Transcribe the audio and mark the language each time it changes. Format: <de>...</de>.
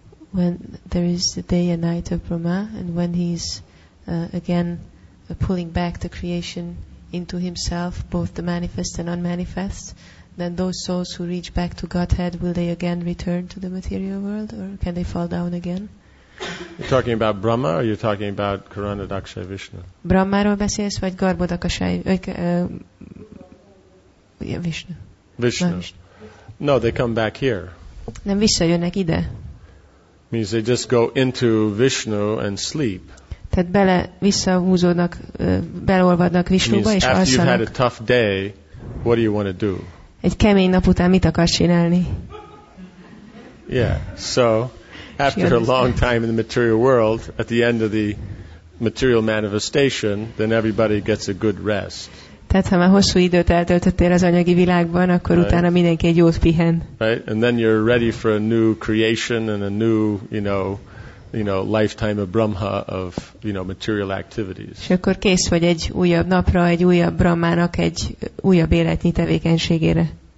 <en>When there is a day and night of Brahma, and when he is again pulling back the creation into himself, both the manifest and unmanifest, then those souls who reach back to Godhead, will they again return to the material world, or can they fall down again? You're talking about Brahma, or you're talking about Karana Daksha Vishnu?</en> <hu>Brahmáról beszélsz, vagy Garbha Daksha Vishnu?</hu> <en>Vishnu. No, they come back here.</en> <hu>Nem, visszajönnek ide.</hu> <en>Means they just go into Vishnu and sleep.</en> <hu>Tehát bele visszahúzódnak, beleolvadnak Vishnuba és alszanak.</hu> <en>After you've had a tough day, what do you want to do?</en> <hu>Egy kemény nap után mit akarsz csinálni?</hu> <en>Yeah. So after a long time in the material world, at the end of the material manifestation, then everybody gets a good rest.</en> <hu>Tehát ha már hosszú időt eltöltöttél az anyagi világban, akkor</hu> <en>right.</en> <hu>Utána mindenki egy jót pihen.</hu> <en>Right, and then you're ready for a new creation and a new, you know, lifetime of Brahma of, you know, material activities.</en> <hu>És akkor kész vagy egy újabb napra, egy újabb Brahmának, egy újabb életnyi tevékenységére.</hu>